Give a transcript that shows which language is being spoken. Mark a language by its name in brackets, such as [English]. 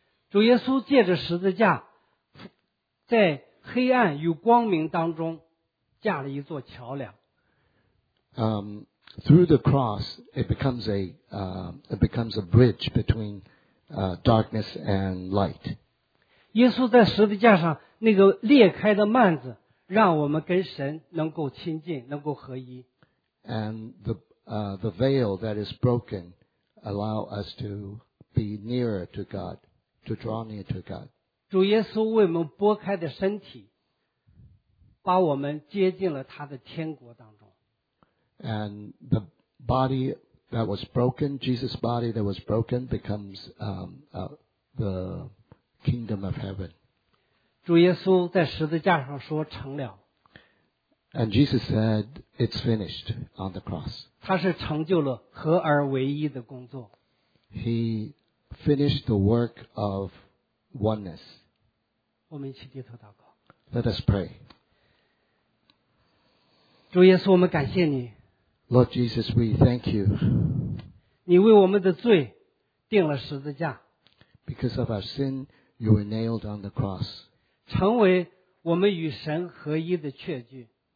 [Chinese] 主耶稣借着十字架在黑暗与光明当中架了一座桥梁。 [English] Through the cross, it becomes a bridge between darkness and light. [Chinese] 耶稣在十字架上那个裂开的幔子让我们跟神能够亲近，能够合一。 [English] And the veil that is broken allow us to be nearer to God, to draw near to God. [Chinese] 主耶稣为我们剥开的身体把我们接进了他的天国当中。 [English] And the body that was broken, Jesus' body that was broken becomes the kingdom of heaven. [Chinese] 主耶稣在十字架上说成了。 [English] And Jesus said, "It's finished" on the cross. [Chinese] 他是成就了合而为一的工作。 [English] He finished the work of oneness. [Chinese] 我们一起低头祷告。 [English] Let us pray. [Chinese] 主耶稣，我们感谢你。 [English] Lord Jesus, we thank you. [Chinese] 你为我们的罪钉了十字架。 [English] Because of our sin, you were nailed on the cross. [Chinese] 成为我们与神合一的确据。